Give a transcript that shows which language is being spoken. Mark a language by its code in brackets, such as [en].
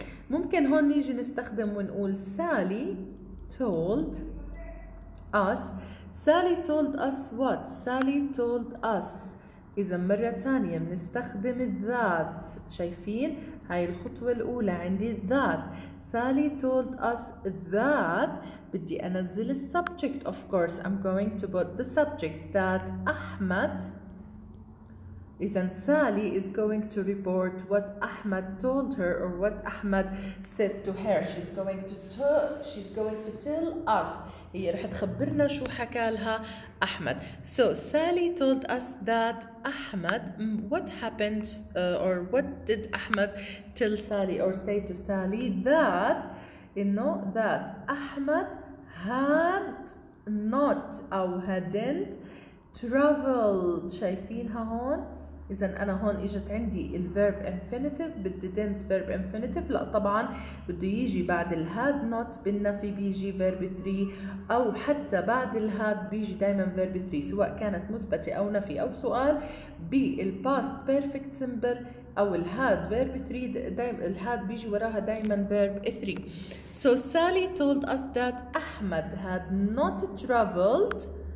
[ar] ممكن هون نيجي نستخدم ونقول [en] Sally told us. Sally told us what? Sally told us. [ar] إذا مرة تانية بنستخدم that. شايفين هاي الخطوة الأولى عندي that. [en] Sally told us that. [ar] بدي أنزل [en] الـ subject. Of course I'm going to put the subject that Ahmed. إذا Sally is going to report what Ahmed told her or what Ahmed said to her. She's going to tell us. [ar] هي رح تخبرنا شو حكى لها أحمد. [en] So Sally told us that Ahmed. What happened or what did Ahmed tell Sally or say to Sally? That, you know, that Ahmed had not or hadn't traveled. [ar] شايفينها هون؟ إذا أنا هون إجت عندي الـ verb infinitive بـ didn't verb infinitive. لا طبعاً بده يجي بعد الـ had not بالنفي بيجي verb 3، أو حتى بعد الـ had بيجي دائماً verb 3 سواء كانت مثبتة أو نفي أو سؤال بالـ past perfect simple أو الـ had verb 3 دائماً الـ had بيجي وراها دائماً verb 3. [en] So Sally told us that Ahmed had not traveled.